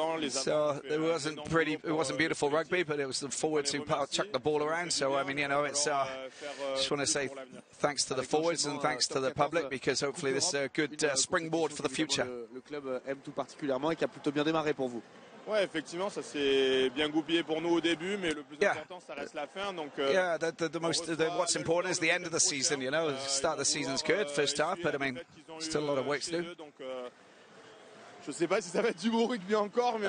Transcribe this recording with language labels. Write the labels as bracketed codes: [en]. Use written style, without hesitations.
[en] So it wasn't beautiful rugby, but it was the forwards who chucked the ball around. So I mean, you know, it's. Just want to say thanks to the forwards and thanks to the public, because hopefully this is a good springboard for the future. [fr] Aime tout particulièrement et qui a plutôt bien démarré pour vous. Ouais, effectivement, ça s'est bien goupillé pour nous au début, mais le plus important, ça reste la fin. Donc, [en] yeah, what's important is the end of the season. You know, start of the season's good, first half, but I mean, still a lot of work to do. [fr] Je sais pas si ça va être du bon rugby encore, mais